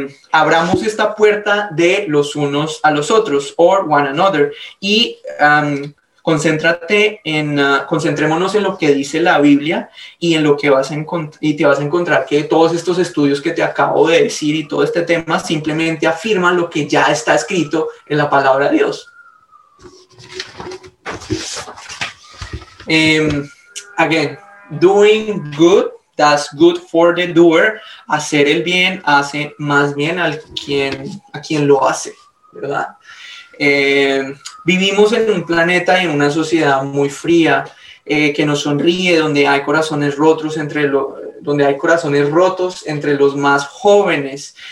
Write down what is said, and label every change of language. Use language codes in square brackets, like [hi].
[es] Abramos esta puerta de los unos a los otros, [en] or one another, [es] y concentrémonos en lo que dice la Biblia y en lo que vas a encontrar, y te vas a encontrar que todos estos estudios que te acabo de decir y todo este tema simplemente afirman lo que ya está escrito en la palabra de Dios. [en] Again, doing good does good for the doer. [es] Hacer el bien hace más bien al quien, a quien lo hace, ¿verdad? Vivimos en un planeta y en una sociedad muy fría, que nos sonríe, donde hay corazones rotos entre los más jóvenes.